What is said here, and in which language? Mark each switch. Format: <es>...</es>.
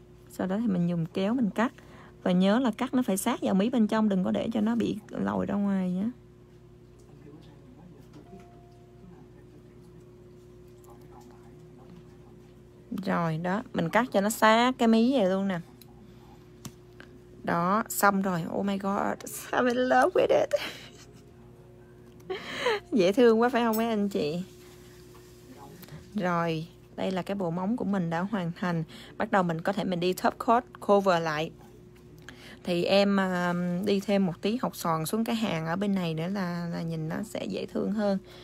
<vi>Sau đó thì mình dùng kéo, mình cắt. Và nhớ là cắt nó phải sát vào mí bên trong, đừng có để cho nó bị lòi ra ngoài nhé. Rồi đó, mình cắt cho nó sát cái mí vậy luôn nè. Đó, xong rồi.</vi> <en>Oh my god, I'm in love with it.</en> <vi>Dễ thương quá phải không mấy anh chị? Rồi, đây là cái bộ móng của mình đã hoàn thành. Bắt đầu mình có thể mình đi top coat cover lại. Thì em đi thêm một tí hột sòn xuống cái hàng ở bên này nữa là nhìn nó sẽ dễ thương hơn.</vi>